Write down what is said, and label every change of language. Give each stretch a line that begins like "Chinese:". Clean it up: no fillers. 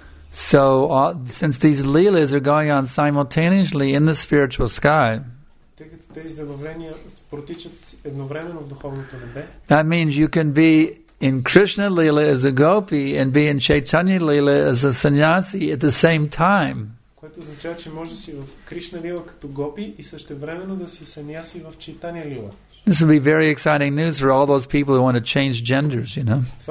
English: So, since these Leelas are going on simultaneously in the spiritual sky, that means you can be in Krishna Lila as a gopi and be in Chaitanya Lila as a sannyasi at the same time.
Bulgarian: Което означава, че може да си в Кришна Лила като гопи и същевременно да си саньяси в Чайтанья Лила.
English: This will be very exciting news for all those people who want to change genders, you know.